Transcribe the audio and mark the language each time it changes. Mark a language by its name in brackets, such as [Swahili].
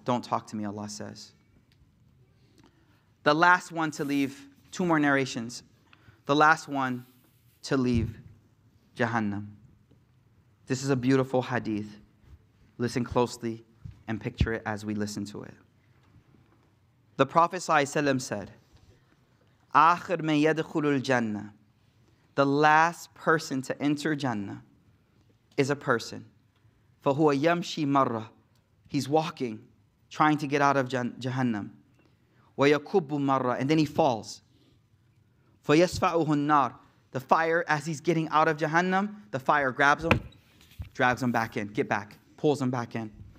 [English] Don't talk to me, Allah says. The last one to leave. Two more narrations. The last one to leave Jahannam. This is a beautiful hadith. Listen closely and picture it as we listen to it. The Prophet ﷺ said, [Arabic] آخر من يدخل الجنة. [English] The last person to enter Jannah is a person. [Arabic] فهو يمشي مرة. [English] He's walking, trying to get out of Jahannam. [Arabic] ويكب مرة. [English] And then he falls. [Arabic] فيسفعه النار. [English] The fire, as he's getting out of Jahannam, the fire grabs him, drags him back in. Get back. Pulls him back in.